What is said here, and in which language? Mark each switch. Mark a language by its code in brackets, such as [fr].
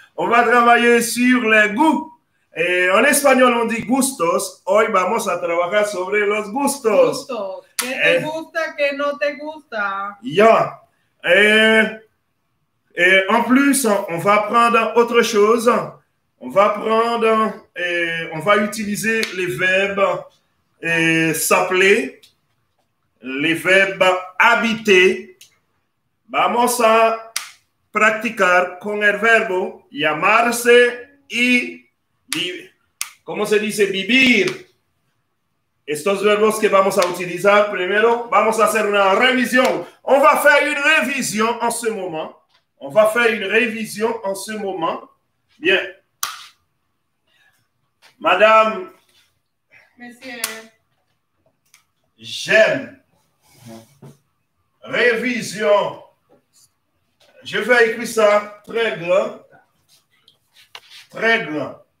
[fr] On va travailler sur les goûts. Et en espagnol, on dit gustos. [es] Hoy vamos a trabajar sobre los gustos. ¿Qué te gusta, qué no te gusta? Ya. [fr] Et en plus, on va apprendre autre chose. On va prendre et on va utiliser les verbes s'appeler, les verbes habiter. [es] Vamos a practicar con el verbo llamarse y ¿cómo se dice? Vivir. Estos verbos que vamos a utilizar primero, vamos a hacer una revisión. [fr] On va faire une révision en ce moment. On va faire une révision en ce moment. Bien. Madame, Monsieur, j'aime, révision, je vais écrire ça très grand,